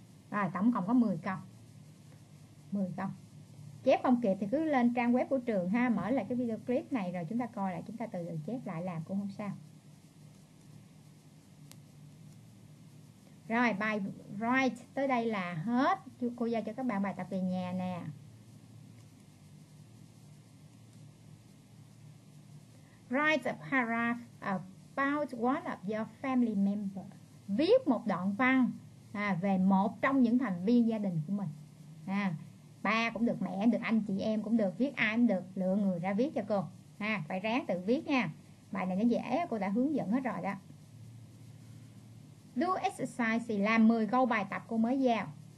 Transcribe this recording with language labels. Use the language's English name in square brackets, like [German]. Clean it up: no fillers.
[Vietnamese] Rồi tổng cộng có 10 câu. 10 câu. Chép không kịp thì cứ lên trang web của trường ha, mở lại cái video clip này rồi chúng ta coi lại, chúng ta từ từ chép lại làm cũng không sao. Rồi bài write tới đây là hết. Cô giao cho các bạn bài tập về nhà nè. [English] Write a paragraph about one of your family members. [Vietnamese] Viết một đoạn văn về một trong những thành viên gia đình của mình. Ba cũng được, mẹ cũng được, anh chị em cũng được, viết ai cũng được, lựa người ra viết cho cô. Phải ráng tự viết nha. Bài này nó dễ, cô đã hướng dẫn hết rồi đó. [English] Do exercise [Vietnamese] làm 10 câu bài tập cô mới giao.